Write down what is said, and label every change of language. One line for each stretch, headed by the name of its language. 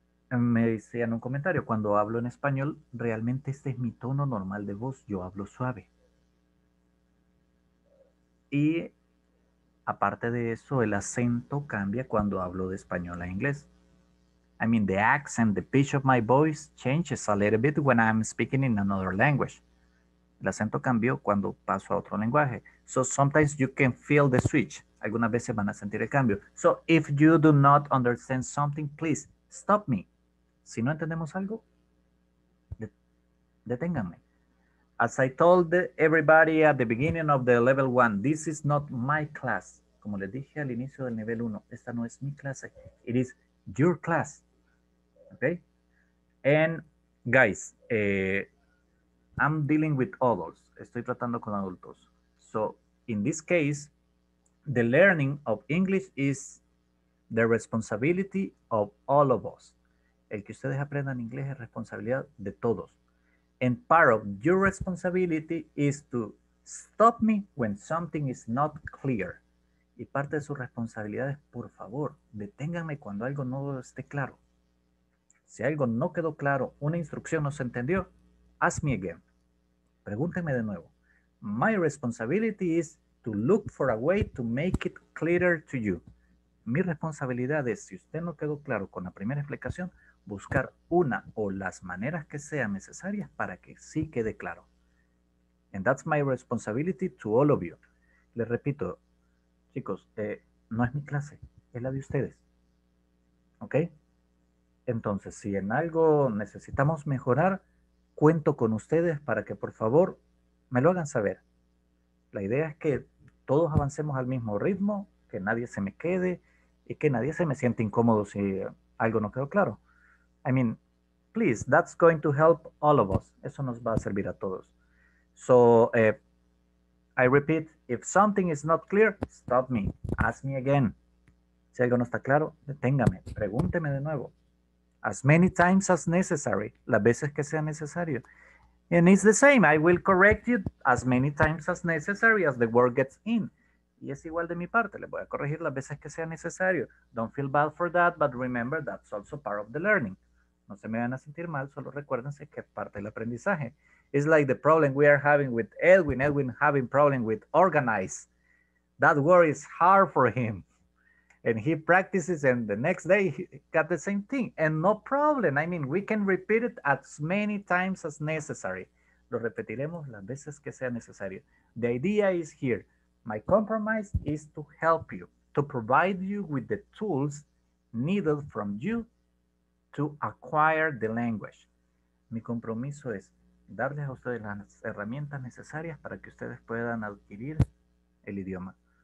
Spanish: Me decían un comentario, cuando hablo en español, realmente este es mi tono normal de voz. Yo hablo suave. Y aparte de eso, el acento cambia cuando hablo de español a inglés.
English: I mean, the accent, the pitch of my voice changes a little bit when I'm speaking in another language.
Spanish: El acento cambió cuando paso a otro lenguaje.
English: So sometimes you can feel the switch.
Spanish: Algunas veces van a sentir el cambio.
English: So if you do not understand something, please stop me.
Spanish: Si no entendemos algo, deténganme.
English: As I told everybody at the beginning of the level one, this is not my class.
Spanish: Como les dije al inicio del nivel uno, esta no es mi clase.
English: It is your class. Okay? And guys, I'm dealing with adults.
Spanish: Estoy tratando con adultos.
English: So in this case, the learning of English is the responsibility of all of us.
Spanish: El que ustedes aprendan inglés es responsabilidad de todos.
English: And part of your responsibility is to stop me when something is not clear.
Spanish: Y parte de su responsabilidad es, por favor, deténganme cuando algo no esté claro. Si algo no quedó claro, una instrucción no se entendió,
English: ask me again.
Spanish: Pregúntenme de nuevo.
English: My responsibility is to look for a way to make it clearer to you.
Spanish: Mi responsabilidad es, si usted no quedó claro con la primera explicación, buscar una o las maneras que sean necesarias para que sí quede claro. And that's my responsibility to all of you. Les repito, chicos, no es mi clase, es la de ustedes. ¿Ok? Entonces, si en algo necesitamos mejorar, cuento con ustedes para que, por favor, me lo hagan saber. La idea es que todos avancemos al mismo ritmo, que nadie se me quede y que nadie se me sienta incómodo si algo no quedó claro.
English: I mean, please, that's going to help all of us.
Spanish: Eso nos va a servir a todos.
English: So, I repeat, if something is not clear, stop me. Ask me again.
Spanish: Si algo no está claro, deténgame. Pregúnteme de nuevo.
English: As many times as necessary.
Spanish: Las veces que sea necesario.
English: And it's the same. I will correct you as many times as necessary as the word gets in.
Spanish: Y es igual de mi parte. Le voy a corregir las veces que sea necesario.
English: Don't feel bad for that, but remember that's also part of the learning.
Spanish: No se me van a sentir mal, solo recuérdense que es parte del aprendizaje.
English: It's like the problem we are having with Edwin. Edwin having problem with organize. That word is hard for him. and he practices, and the next day he got the same thing, and no problem. I mean, we can repeat it as many times as necessary.
Spanish: Lo repetiremos las veces que sea necesario.
English: The idea is here. My compromise is to help you, to provide you with the tools needed from you to acquire the language.
Spanish: Mi compromiso es darles a ustedes las herramientas necesarias para que ustedes puedan adquirir el idioma.